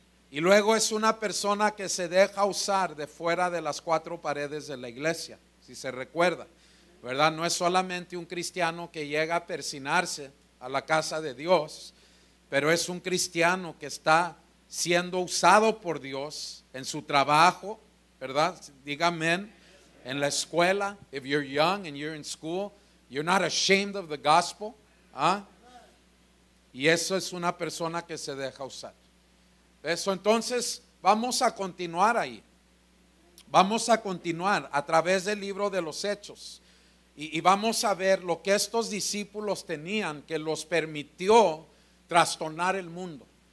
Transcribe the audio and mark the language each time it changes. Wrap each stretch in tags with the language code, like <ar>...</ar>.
<es>Y luego es una persona que se deja usar de fuera de las cuatro paredes de la iglesia, si se recuerda, ¿verdad? No es solamente un cristiano que llega a persignarse a la casa de Dios, pero es un cristiano que está siendo usado por Dios en su trabajo, ¿verdad? Dígame. En la escuela,</es> <en>if you're young and you're in school, you're not ashamed of the gospel.</en> <es>Y eso es una persona que se deja usar. Eso, entonces, vamos a continuar ahí. Vamos a continuar a través del libro de los Hechos. Y vamos a ver lo que estos discípulos tenían que los permitió trastornar el mundo.</es>